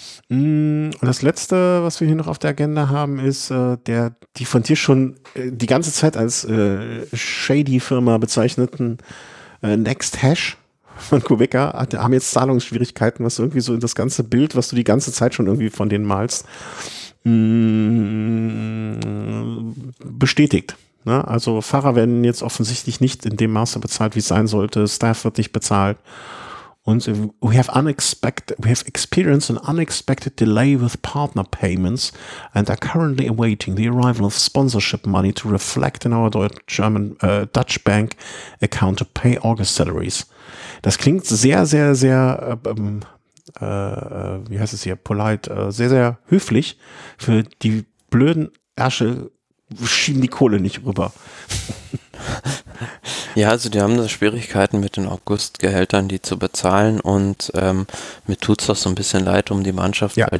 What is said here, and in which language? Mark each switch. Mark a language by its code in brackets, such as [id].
[de] Und das Letzte, was wir hier noch auf der Agenda haben, ist die von dir schon die ganze Zeit als Shady-Firma bezeichneten Next Hash von Kubica, haben jetzt Zahlungsschwierigkeiten, was irgendwie so in das ganze Bild, was du die ganze Zeit schon irgendwie von denen malst, bestätigt. Ne? Also Fahrer werden jetzt offensichtlich nicht in dem Maße bezahlt, wie es sein sollte, Staff wird nicht bezahlt. [en] Und we have experienced an unexpected delay with partner payments and are currently awaiting the arrival of sponsorship money to reflect in our Dutch bank account to pay August salaries. [de] Das klingt sehr, sehr, sehr, wie heißt es hier, polite, sehr, sehr höflich. Für die blöden Ärsche schieben die Kohle nicht rüber. Ja, also die haben da Schwierigkeiten mit den Augustgehältern, die zu bezahlen und mir tut es auch so ein bisschen leid um die Mannschaft, ja.